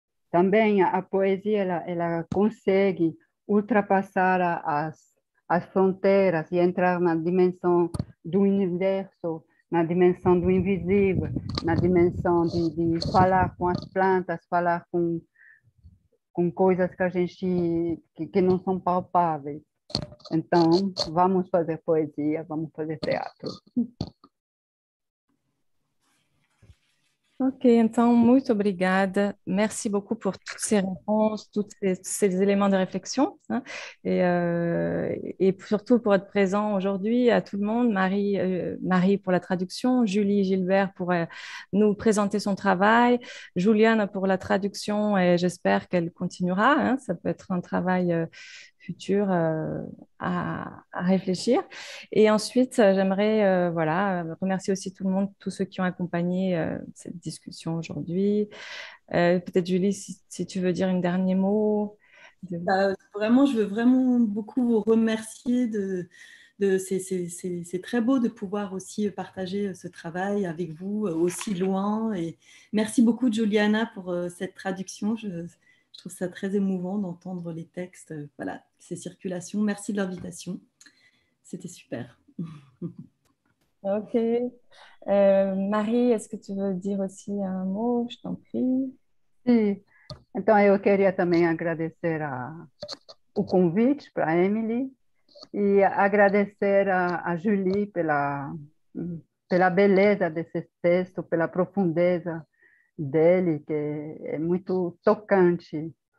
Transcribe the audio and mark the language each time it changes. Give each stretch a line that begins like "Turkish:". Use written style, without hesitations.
Portuguese: Também a poesia ela consegue ultrapassar as fronteiras e entrar na dimensão do universo, na dimensão do invisível, na dimensão de falar com as plantas, falar com coisas que a gente que não são palpáveis. Então, vamos fazer poesia, vamos fazer teatro. Ok, então, muito obrigada.
French: Merci beaucoup pour toutes ces réponses, tous ces éléments de réflexion. Hein, et surtout pour être présent aujourd'hui à tout le monde, Marie pour la traduction, Julie Gilbert pour nous présenter son travail, Juliane pour la traduction, et j'espère qu'elle continuera. Hein, ça peut être un travail... futur à réfléchir. Et ensuite, j'aimerais remercier aussi tout le monde, tous ceux qui ont accompagné cette discussion aujourd'hui. Peut-être Julie, si tu veux dire un dernier mot. Je veux vraiment beaucoup vous remercier. C'est très beau de pouvoir aussi partager ce travail avec vous aussi loin. Et merci beaucoup, Juliana, pour cette traduction. Je trouve ça très émouvant d'entendre les textes, ces circulations. Merci de l'invitation. C'était super. Ok. Marie, est-ce que tu veux dire aussi un mot? Je t'en prie.
Portuguese: Sim. Então, eu queria também agradecer o convite para a Emily e agradecer a Julie pela beleza desse texto, pela profundeza dele, que é muito tocante.